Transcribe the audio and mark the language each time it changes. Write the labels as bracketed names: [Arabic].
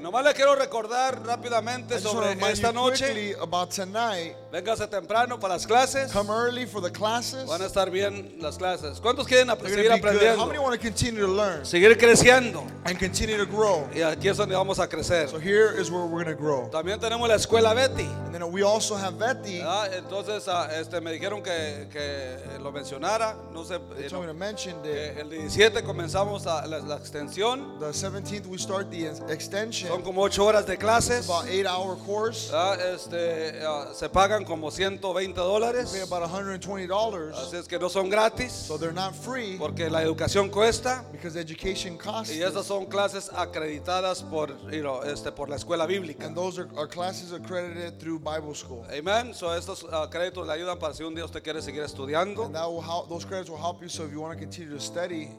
[Spanish] Nomás le quiero recordar rápidamente sobre esta noche. [English] I just want to remind you quickly about tonight. [Spanish] Véngase temprano para las clases. [English] Come early for the classes. [Spanish] Van a estar bien las clases. ¿Cuántos quieren seguir aprendiendo? [English] How many want to continue to learn? [Spanish] Seguir creciendo. [English] And continue to grow. [Spanish] Y aquí es donde vamos a crecer. [English] So here is where we're going to grow. [Spanish] También tenemos la escuela Betty. [English] And then we also have Betty. [Spanish] Entonces me dijeron que lo mencionara. No sé. [English] They told me to mention it. [Spanish] El 17 comenzamos la extensión. [English] The 17th we start the extension. [Spanish] Son como 8 horas de clases. [English] It's about 8-hour course. [Spanish] Se paga como $120. [English] Pay about $120. [Spanish] Así es que no son gratis. [English] So they're not free. [Spanish] Porque la educación cuesta. [English] Because education costs. [Spanish] Y esas son clases acreditadas por, por la escuela bíblica. [English] And those are classes accredited through Bible school. Amen. [Spanish] So estos créditos le ayudan para si un día usted quiere seguir estudiando. [English] And those credits will help you so if you want to continue to study.